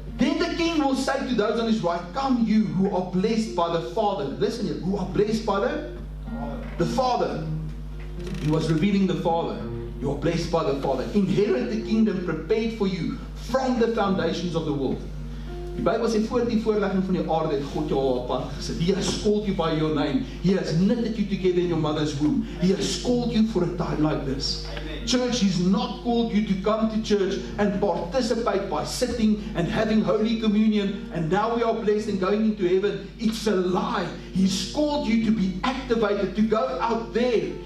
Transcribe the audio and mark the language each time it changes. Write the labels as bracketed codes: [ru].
[en] Then the King will say to those on his right, come you who are blessed by the Father. Listen here. Who are blessed by the Father. He was revealing the Father. You are blessed by the Father. Inherit the kingdom prepared for you from the foundations of the world. [af] Die Bybel sê voor die voorlegging van die aarde het God jou apart gesit. [en] He has called you by your name. He has knitted you together in your mother's womb. He has called you for a time like this. Church, he's not called you to come to church and participate by sitting and having holy communion and now we are blessed and going into heaven. It's a lie. He's called you to be activated, to go out there.